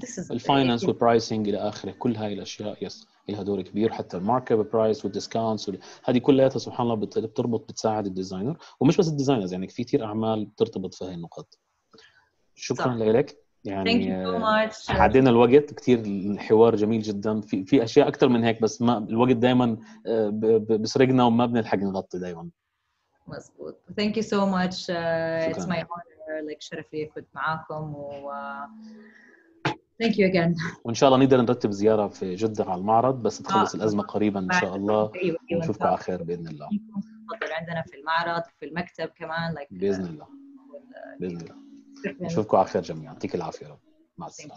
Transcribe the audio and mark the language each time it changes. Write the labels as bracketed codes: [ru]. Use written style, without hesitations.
[ar] الفاينانس والبرايسينج إلى آخره, كل هاي الأشياء يس لها دور كبير, حتى الماركت برايس والديسكاونتس هذه كلها سبحان الله بتربط بتساعد الديزاينر, ومش بس الديزاينرز يعني في كتير أعمال ترتبط في هاي النقاط. شكرا لك, يعني عدينا الوقت كتير, الحوار جميل جدا, في أشياء أكتر من هيك بس ما الوقت دائما بسرقنا وما بنلحق نغطي دائما. مزبوط, [en] thank you so much, it's my honor, like [ar] شرف لي كنت معاكم, و [en] thank you again. [ar] وإن شاء الله نقدر نرتب زيارة في جدة على المعرض بس تخلص الأزمة قريبا إن شاء الله, نشوفك على خير بإذن الله. نفضل عندنا في المعرض في المكتب كمان like بإذن الله. بإذن الله نشوفكم على خير جميعا, يعطيك العافية, مع السلامة.